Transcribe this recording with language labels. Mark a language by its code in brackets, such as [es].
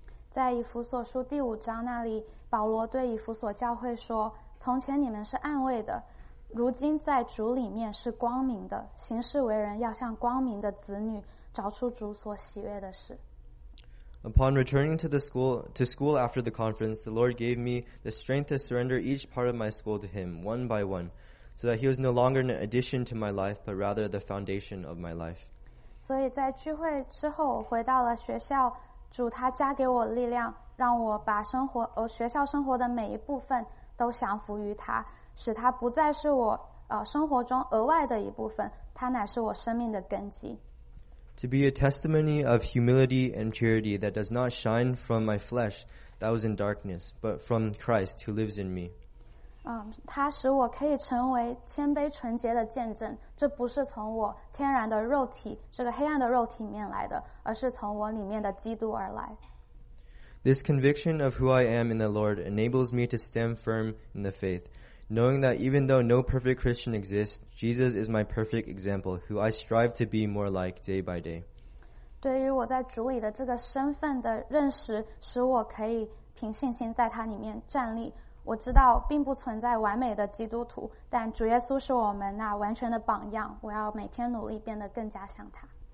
[zh] 在以弗所书第五章那里，保罗对以弗所教会说：“从前你们是暗昧的，如今在主里面是光明的，行事为人要像光明的子女。” 找出主所喜悦的事。 [en] Upon returning to school after the conference, the Lord gave me the strength to surrender each part of my school to Him one by one, so that He was no longer an addition to my life, but rather the foundation of my life. [zh] 所以在聚会之后，我回到了学校，主他加给我力量，让我把生活学校生活的每一部分都降服于他，使他不再是我生活中额外的一部分，他乃是我生命的根基。 [en] To be a testimony of humility and purity that does not shine from my flesh that was in darkness, but from Christ who lives in me. [zh] 他使我可以成为谦卑纯洁的见证，这不是从我天然的肉体，这个黑暗的肉体面来的，而是从我里面的基督而来。 [en] This conviction of who I am in the Lord enables me to stand firm in the faith, knowing that even though no perfect Christian exists, Jesus is my perfect example, who I strive to be more like day by day. [zh] 对于我在主里的这个身份的认识，使我可以凭信心在他里面站立。我知道并不存在完美的基督徒，但主耶稣是我们那完全的榜样，我要每天努力变得更加像他。